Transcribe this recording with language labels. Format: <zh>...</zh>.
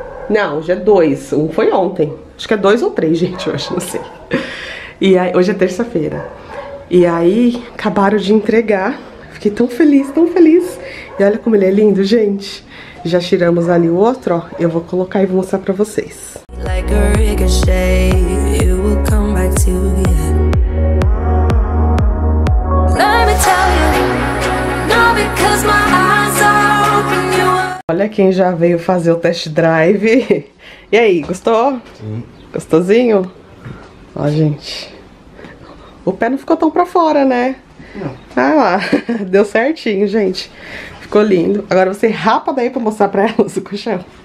<pt>Não, hoje é dois. Um foi ontem. Acho que é dois ou três, gente, hoje, não sei. E aí, hoje é terça-feira. E aí, acabaram de entregar. Fiquei tão feliz, tão feliz. E olha como ele é lindo, gente. Já tiramos ali o outro, ó. Eu vou colocar e vou mostrar pra vocês.</pt> <en>Like a ricochet, it will come back to you. Let me tell you, no, because my eyes are open.</en> <pt>Olha quem já veio fazer o test drive. E aí, gostou? Sim. Gostosinho? Ó, gente. O pé não ficou tão pra fora, né? Não. Ah, lá. Deu certinho, gente. Ficou lindo. Agora você rapa daí pra mostrar pra elas o colchão.</pt>